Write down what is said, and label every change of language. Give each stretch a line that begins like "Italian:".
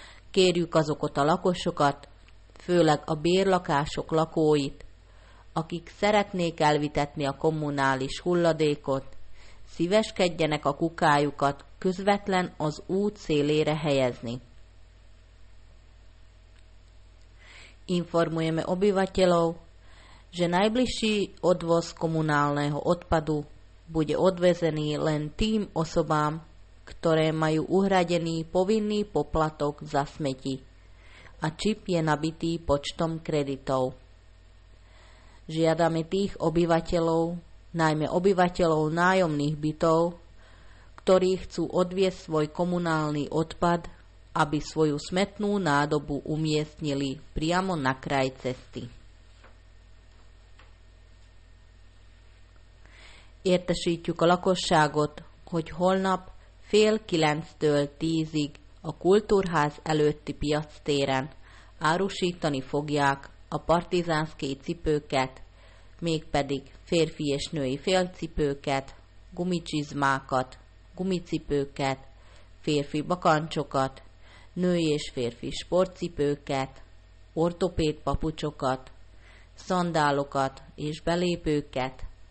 Hungarian: Kérjük azokat a lakosokat, főleg a bérlakások lakóit, akik szeretnék elvitetni a kommunális hulladékot, szíveskedjenek a kukájukat közvetlen az út szélére helyezni.
Slovak: Informujeme obyvateľov, že najbližší odvoz komunálneho odpadu bude odvezený len tým osobám, ktoré majú uhradený povinný poplatok za smeti a čip je nabitý počtom kreditov. Žiadame tých obyvateľov, najmä obyvateľov nájomných bytov, ktorí chcú odviesť svoj komunálny odpad, aby svoju smetnú nádobu umiestnili priamo na kraj cesty.
Hungarian: Értesítjük a lakosságot, hogy holnap 8:30-tól 10:00 a Kultúrház előtti piac téren árusítani fogják a partizánszkij cipőket, mégpedig férfi és női félcipőket, gumicsizmákat, gumicipőket, férfi bakancsokat, női és férfi sportcipőket, ortopéd papucsokat, szandálokat és belépőket.